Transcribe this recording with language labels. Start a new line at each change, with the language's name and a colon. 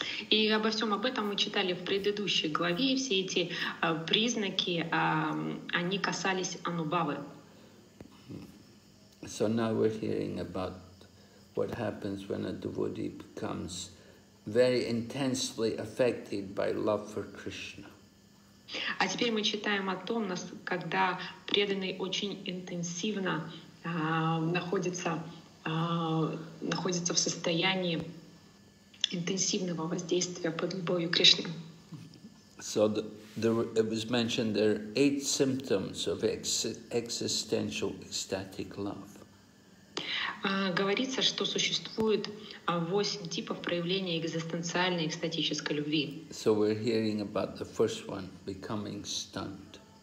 Russian: И обо всем об этом мы читали в предыдущей главе. И все эти признаки, они касались анубавы.
English: So now we're hearing about what happens when a devotee becomes very intensely affected by love for Krishna.
Russian: А теперь мы читаем о том, когда преданный очень интенсивно находится в состоянии интенсивного воздействия под любовью Кришны.
English: So it was mentioned there are 8 symptoms of existential ecstatic love.
Russian: Говорится, что существует 8 типов проявления экзистенциальной экстатической любви.
English: So we're hearing about the first one, becoming stunned.